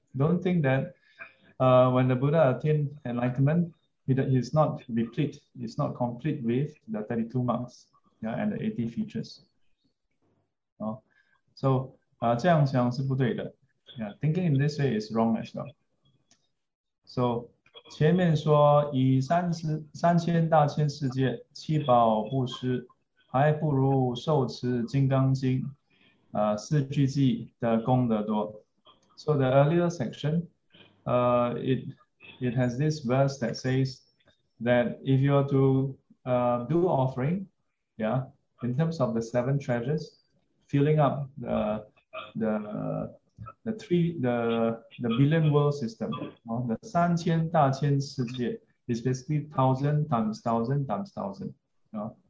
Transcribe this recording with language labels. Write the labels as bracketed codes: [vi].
[en] Don't think that when the Buddha attained enlightenment, he's not replete, he's not complete with the 32 marks, yeah, and the 80 features. [zh] So 这样想是不对的. [en] Yeah, thinking in this way is wrong as well. [zh] So 前面说以三千大千世界七宝布施, 还不如受持金刚经, 四句偈的功德多. [en] So the earlier section, it has this verse that says that if you are to do offering, yeah, in terms of the seven treasures, filling up the billion world system, the 三千大千世界 is basically 1,000 times 1,000 times 1,000, yeah.